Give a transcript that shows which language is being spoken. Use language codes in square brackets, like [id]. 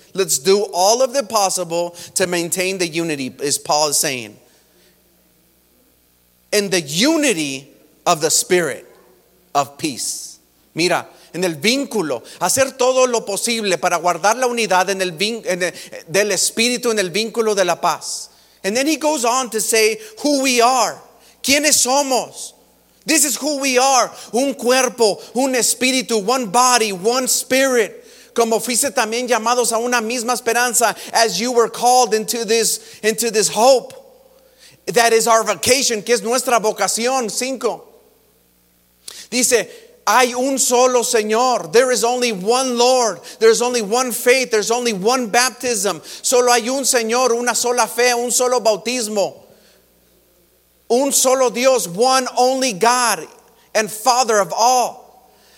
[en] Let's do all of the possible to maintain the unity, is Paul saying. In the unity of the spirit of peace. [es] Mira, en el vínculo, hacer todo lo posible para guardar la unidad en el del espíritu, en el vínculo de la paz. [en] And then he goes on to say who we are. [es] ¿Quiénes somos? [en] This is who we are, [es] un cuerpo, un espíritu, [en] one body, one spirit. [es] Como fuiste también llamados a una misma esperanza, [en] as you were called into this hope. That is our vocation, [es] que es nuestra vocación. [en] 5. [es] Dice, hay un solo Señor. [en] There is only one Lord. There is only one faith. There is only one baptism. [es] Solo hay un Señor, una sola fe, un solo bautismo. Un solo Dios, [en] one only God and Father of all.